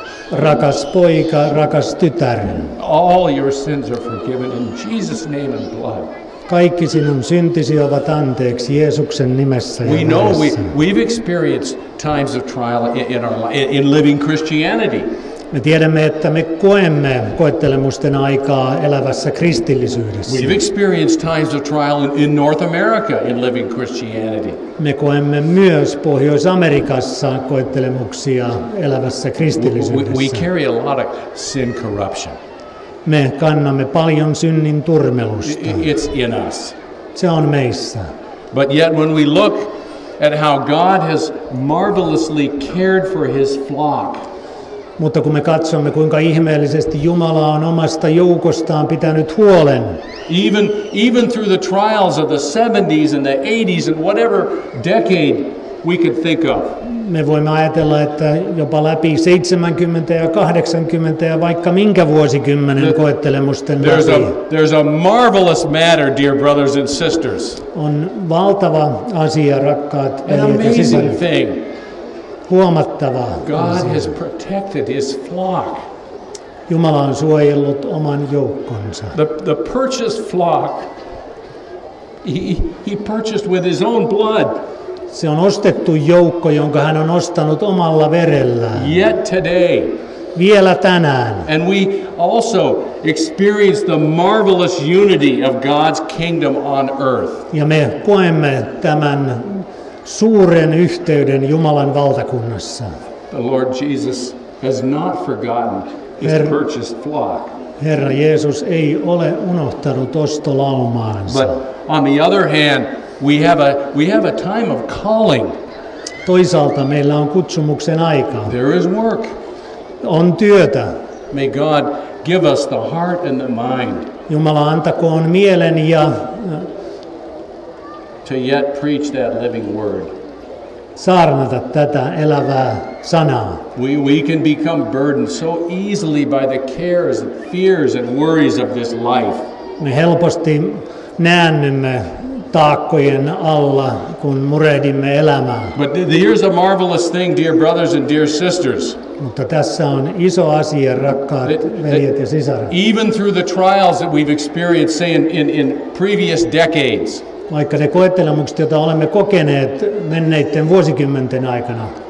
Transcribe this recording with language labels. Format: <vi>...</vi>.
<fi>Rakas poika, rakas tytär.</fi> <en>All your sins are forgiven in Jesus' name and blood.</en> <fi>Kaikki sinun syntisi ovat anteeksi Jeesuksen nimessä ja veressä.</fi> <en>We've experienced times of trial in living Christianity.</en> <fi>Me tiedämme, että me koemme koettelemusten aikaa elävässä kristillisyydessä.</fi> <en>We've experienced times of trial in North America in living Christianity.</en> <fi>Me koemme myös Pohjois-Amerikassa koettelemuksia elävässä kristillisyydessä.</fi> <en>We carry a lot of sin corruption.</en> <fi>me kannamme paljon synnin turmelusta.</fi> <en>It's in us.</en> <fi>Se on meissä.</fi> <en>But yet when we look at how God has marvelously cared for his flock.</en> <fi>Mutta kun me katsomme, kuinka ihmeellisesti Jumala on omasta joukostaan pitänyt huolen.</fi> <en>Even through the trials of the 70s and the 80s and whatever decade we could think of.</en> <fi>Me voimme ajatella, että jopa läpi 70 ja 80 ja vaikka minkä vuosikymmenen koettelemusten läpi.</fi> <en>There's a marvelous matter, dear brothers and sisters.</en> <fi>On valtava asia, rakkaat veljet ja sisaret. Huomattava</fi> <en>God</en> <fi>asia.</fi> <en>Has protected his flock.</en> <fi>Jumala on suojellut oman joukkonsa.</fi> <en>The purchased flock he purchased with his own blood.</en> <fi>Se on ostettu joukko, jonka hän on ostanut omalla verellään.</fi> <en>Yet today.</en> <fi>Vielä tänään.</fi> <en>And we also experience the marvelous unity of God's kingdom on earth.</en> <fi>Ja me koemme tämän suuren yhteyden Jumalan valtakunnassa.</fi> <en>The Lord Jesus has not forgotten his purchased flock.</en> <fi>Herra Jeesus ei ole unohtanut ostolaumaansa.</fi> <en>But on the other hand, we have a time of calling.</en> <fi>Toisaalta meillä on kutsumuksen aika.</fi> <en>There is work.</en> <fi>On työtä.</fi> <en>May God give us the heart and the mind.</en> <fi>Jumala antakoon mielen ja</fi> <en>to yet preach that living word.</en> <fi>Saarnata tätä elävää sanaa.</fi> <en>We can become burdened so easily by the cares and fears and worries of this life.</en> <fi>Me helposti näännymme taakkojen alla, kun murehdimme elämää.</fi> <en>But here's a marvelous thing, dear brothers and dear sisters.</en> <fi>Mutta tässä on iso asia, rakkaat veljet ja sisaret.</fi> <en>Even through the trials that we've experienced, say in previous decades.</en> <fi>Vaikka ne koettelemukset, joita olemme kokeneet menneiden vuosikymmenten aikana.</fi>